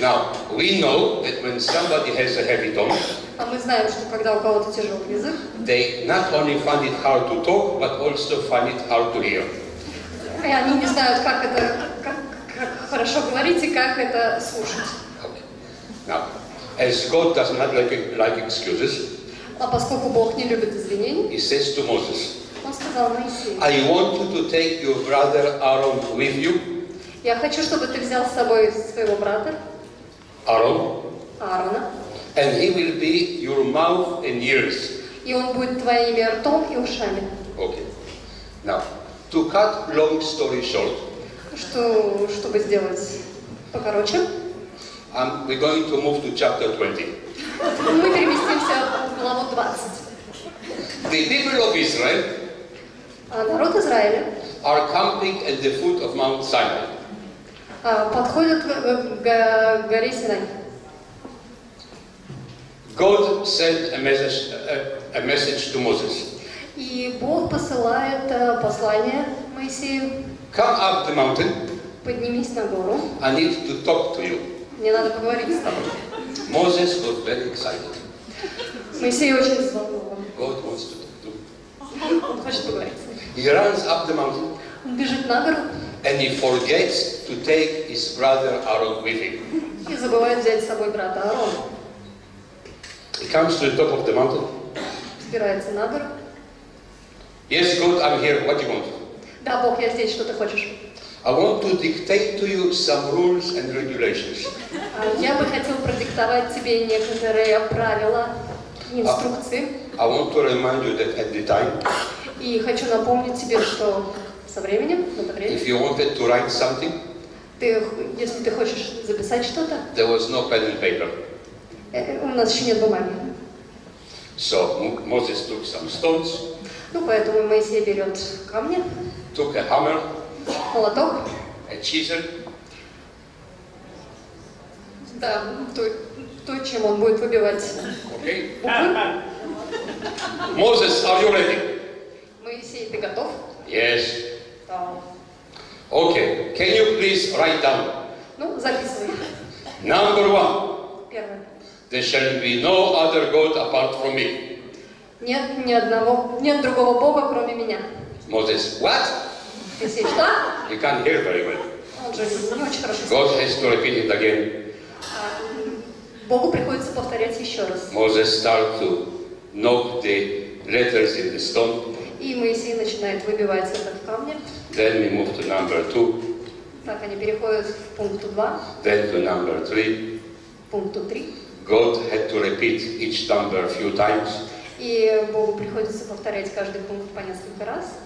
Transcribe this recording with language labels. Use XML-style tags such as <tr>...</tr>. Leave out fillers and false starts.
<en>Now, we know that when somebody has a heavy tone,</en> <ru>а мы знаем, что когда у кого-то тяжелый язык,</ru> <en>they not only find it hard to talk, but also find it hard to hear.</en> <ru>И они не знают, как это, как хорошо говорить и как это слушать.</ru> <en>Okay. Now, as God does not like excuses,</en> <ru>а поскольку Бог не любит извинений,</ru> <en>He says to Moses,</en> <ru>он сказал Моисею,</ru> <en>I want you to take your brother Aaron with you.</en> <ru>Я хочу, чтобы ты взял с собой своего брата.</ru> <en>Aaron.</en> <ru>Аарона.</ru> <en>And he will be your mouth and ears.</en> <ru>И он будет твоими ртом и ушами.</ru> <en>Okay. Now, to cut long story short.</en> <ru>Чтобы сделать покороче.</ru> <en>We're going to move to chapter 20.</en> <ru>Мы переместимся в главу 20.</ru> <en>The people of Israel.</en> <ru>Народ Израиля.</ru> <en>Are camping at the foot of Mount Sinai.</en> <ru>Подходят к горе Синай.</ru> <en>God sent a message to Moses.</en> <ru>И Бог посылает послание Моисею.</ru> <en>Come up the mountain.</en> <ru>Поднимись на гору.</ru> <en>I need to talk to you.</en> <ru>Мне надо поговорить с тобой.</ru> <en>Moses was very excited.</en> <ru>Моисей очень взволнован.</ru> <en>God wants to talk to him.</en> <ru>Он хочет поговорить.</ru> <en>He runs up the mountain.</en> <ru>Он бежит на гору.</ru> <en>And he forgets to take his brother Aaron with him.</en> <ru>И забывает взять с собой брата Аарона.</ru> <en>He comes to the top of the mountain.</en> <ru>Спирается на гору.</ru> <en>Yes, God, I'm here. What do you want?</en> <ru>Да, Бог, я здесь. Что ты хочешь?</ru> <en>I want to dictate to you some rules and regulations.</en> <ru>Я бы хотел продиктовать тебе некоторые правила и инструкции.</ru> <en>I want to remind you that at the time.</en> <ru>И хочу напомнить тебе, что со временем, в это время.</ru> <en>If you wanted to write something.</en> <ru>Если ты хочешь записать что-то.</ru> <en>There was no pen and paper.</en> <ru>У нас еще нет бумаги.</ru> <en>So Moses took some stones.</en> <ru>Ну поэтому Моисей берет камни.</ru> <en>Took a hammer.</en> <ru>Молоток.</ru> <en>A chisel.</en> <ru>Да, то чем он будет выбивать.</ru> <en>Okay. Moses, are you ready?</en> <ru>Моисей, ты готов?</ru> <en>Yes.</en> <ru>Да.</ru> <en>Okay. Can you please write down?</en> <ru>Ну, записывай.</ru> <en>Number one.</en> <ru>Первое.</ru> <en>There shall be no other God apart from me.</en> <ru>Нет ни одного, нет другого Бога, кроме меня.</ru> <en>Moses, what?</en> <ru>Что?</ru> <en>You can't hear very well. God has to repeat it again.</en> <ru>Богу приходится повторять еще раз.</ru> <en>Moses start to knock the letters in the stone.</en> <ru>И Моисей начинает выбивать это в камне.</ru> <en>Then we move to number two.</en> <ru>Так они переходят в пункту два.</ru> <en>Then to number three.</en> <ru>Пункту три.</ru> <en>God had to repeat each number a few times.</en> <ru>И Богу приходится повторять каждый пункт по несколько раз.</ru>